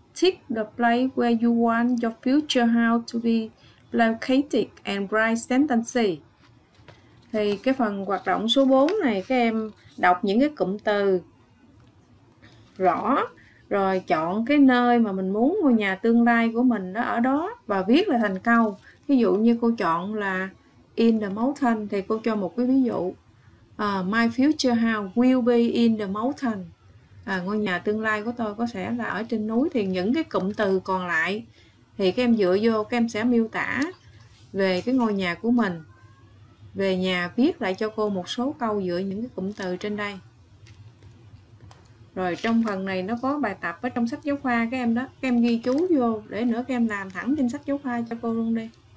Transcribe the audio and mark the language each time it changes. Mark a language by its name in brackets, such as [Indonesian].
[English] Tick the place where you want your future house to be located and write sentences. [Vietnamese] Thì cái phần hoạt động số 4 này các em đọc những cái cụm từ rõ, rồi chọn cái nơi mà mình muốn ngôi nhà tương lai của mình đó ở đó và viết lại thành câu. Ví dụ như cô chọn là [English] in the mountain [Vietnamese] thì cô cho một cái ví dụ. [English] My future house will be in the mountain. [Vietnamese] Ngôi nhà tương lai của tôi có sẽ là ở trên núi. Thì những cái cụm từ còn lại thì các em dựa vô các em sẽ miêu tả về cái ngôi nhà của mình. Về nhà viết lại cho cô một số câu dựa những cái cụm từ trên đây. Rồi trong phần này nó có bài tập ở trong sách giáo khoa các em đó. Các em ghi chú vô để nữa các em làm thẳng trên sách giáo khoa cho cô luôn đi.